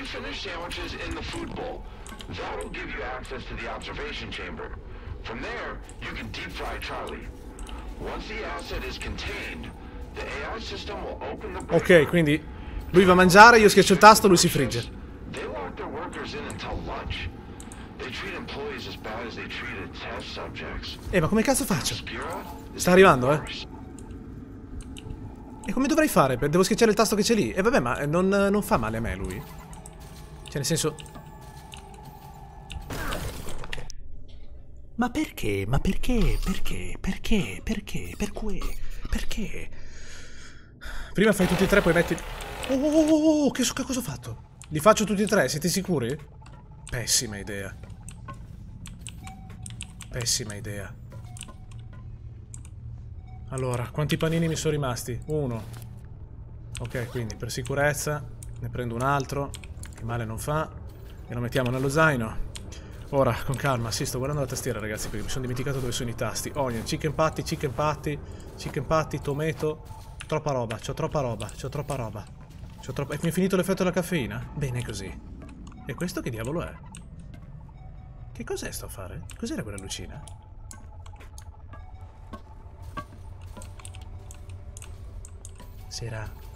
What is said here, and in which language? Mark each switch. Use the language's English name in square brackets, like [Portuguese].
[English] Sandwiches in the food bowl. That'll give you access to the observation chamber. From there, you can deep fry Charlie. Once the asset is contained, the AI system will open the... [Italian] Ok, quindi lui va a mangiare, io schiaccio il tasto, lui si frigge. [English] They lock their workers in until lunch. They treat employees as bad as they treat test subjects. [Italian] Ma come cazzo faccio? Sta arrivando, eh. E come dovrei fare? Devo schiacciare il tasto che c'è lì. Vabbè, ma non fa male a me lui. Cioè, nel senso... Ma perché? Ma perché? Perché? Perché? Perché? Per cui? Perché? Prima fai tutti e tre, poi metti... Oh, che cosa ho fatto? Li faccio tutti e tre, siete sicuri? Pessima idea. Pessima idea. Allora, quanti panini mi sono rimasti? Uno. Ok, quindi per sicurezza ne prendo un altro. Che male non fa. E lo mettiamo nello zaino. Ora, con calma. Sì, sto guardando la tastiera, ragazzi, perché mi sono dimenticato dove sono i tasti. [English] Onion, chicken patty, chicken patty, chicken patty, tomato. [Italian] Troppa roba, c'ho troppa roba, c'ho troppa roba. C'ho troppa... E mi è finito l'effetto della caffeina? Bene così. E questo che diavolo è? Che cos'è sto a fare? Cos'era quella lucina? Sera.